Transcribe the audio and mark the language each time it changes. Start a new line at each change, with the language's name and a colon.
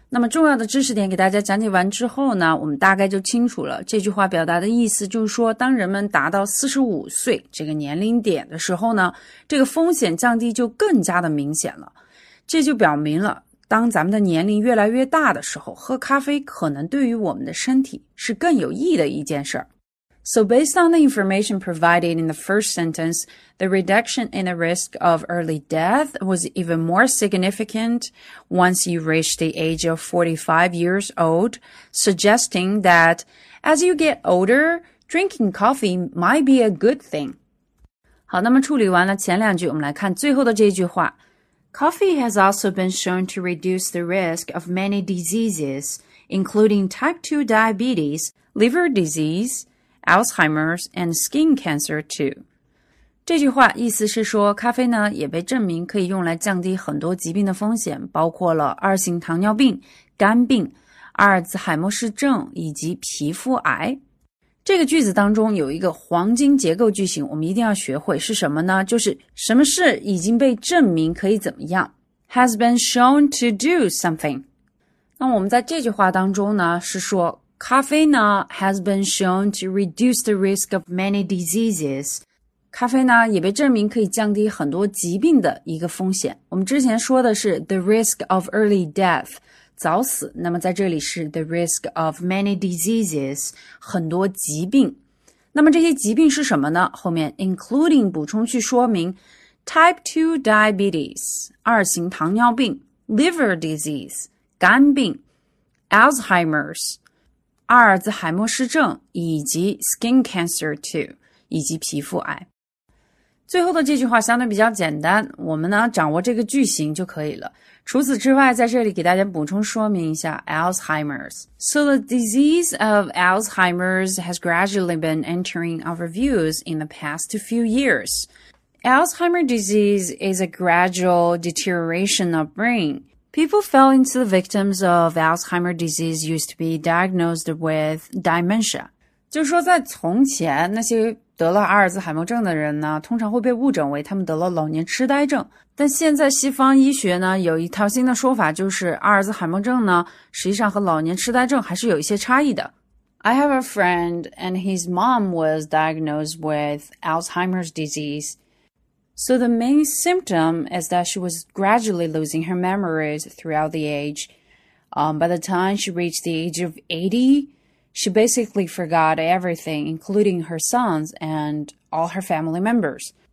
Chinese: 那么重要的知识点给大家讲解完之后呢，我们大概就清楚了这句话表达的意思，就是说当人们达到45岁这个年龄点的时候呢，这个风险降低就更加的明显了。这就表明了当咱们的年龄越来越大的时候，喝咖啡可能对于我们的身体是更有益的一件事儿。
English: So based on the information provided in the first sentence, the reduction in the risk of early death was even more significant once you reach the age of 45 years old, suggesting that as you get older, drinking coffee might be a good thing.
Chinese: 好，那么处理完了前两句，我们来看最后的这一句话。
English: Coffee has also been shown to reduce the risk of many diseases, including type 2 diabetes, liver disease,Alzheimer's and skin cancer too.
Chinese: 这句话意思是说，咖啡呢也被证明可以用来降低很多疾病的风险，包括了二型糖尿病、肝病、阿尔兹海默氏症以及皮肤癌。这个句子当中有一个黄金结构句型，我们一定要学会是什么呢？就是什么事已经被证明可以怎么样 ？
English: Has been shown to do something.
Chinese: 那我们在这句话当中呢，是说。咖啡呢
English: has been shown to reduce the risk of many diseases.
Chinese: 咖啡呢也被证明可以降低很多疾病的一个风险。我们之前说的是
English: the risk of early death,
Chinese: 早死。那么在这里是
English: the risk of many diseases,
Chinese: 很多疾病。那么这些疾病是什么呢？后面 including 补充去说明 type 2 diabetes, 二型糖尿病 liver disease, 肝病 Alzheimer's,阿尔兹海默氏症以及 skin cancer too, 以及皮肤癌。最后的这句话相对比较简单，我们呢掌握这个句型就可以了。除此之外，在这里给大家补充说明一下 Alzheimer's.
English: So the disease of Alzheimer's has gradually been entering our views in the past few years. Alzheimer's disease is a gradual deterioration of brain. People fell into the victims of Alzheimer's disease used to be diagnosed with dementia.
Chinese: 就是说在从前那些得了阿尔兹海默症的人呢通常会被误诊为他们得了老年痴呆症。但现在西方医学呢有一套新的说法就是阿尔兹海默症呢实际上和老年痴呆症还是有一些差异的。
English: I have a friend and his mom was diagnosed with Alzheimer's disease. So the main symptom is that she was gradually losing her memories throughout the age. By the time she reached the age of 80, she basically forgot everything, including her sons and all her family members.